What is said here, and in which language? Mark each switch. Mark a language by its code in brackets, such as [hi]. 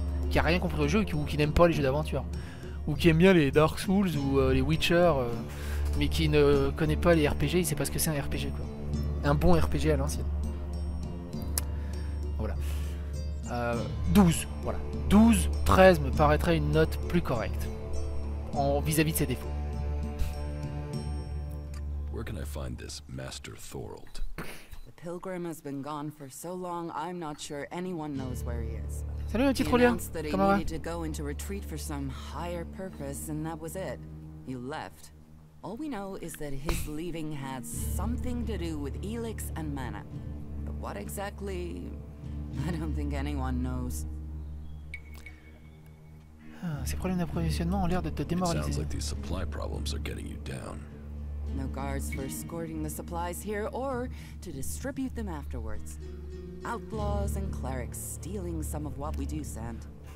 [fr] Qui a rien compris au jeu ou qui n'aime pas les jeux d'aventure. Ou qui aime bien les Dark Souls ou les Witcher, mais qui ne connaît pas les RPG, il sait pas ce que c'est un RPG, quoi. Un bon RPG à l'ancienne. Voilà. 12, voilà. 12, 13 me paraîtrait une note plus correcte en vis-à-vis de ses défauts. [en] Where can I find this Master Thorold? The pilgrim has been gone for so long, I'm not sure anyone knows where he is. [fr] Salut, petit Trollien. Comment va? [en] He needed to go into retreat for some higher purpose, and that was it. He left. All we know is that his leaving had something to do with Elix and Mana. But what exactly? I don't think anyone knows. [fr] Ces problèmes d'approvisionnement ont l'air de te démoraliser. [en] It sounds like these supply problems are getting you down. No guards for escorting the supplies here or to distribute them afterwards. Outlaws and clerics stealing some of what we do send.